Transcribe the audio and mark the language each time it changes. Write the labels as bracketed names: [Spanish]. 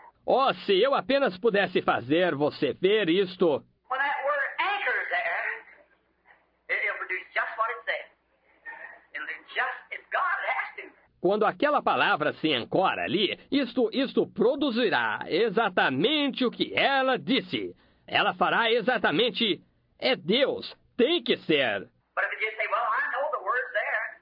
[Portuguese] Oh, se eu apenas pudesse fazer você ver isto. [English] Well, that word anchors there, it'll produce just what it says. It'll just if God has to. [Portuguese] Quando aquela palavra se ancora ali, isto produzirá exatamente o que ela disse. Ela fará exatamente. É Deus. Tem que ser. [English] But if you just say, well, I know the word's there.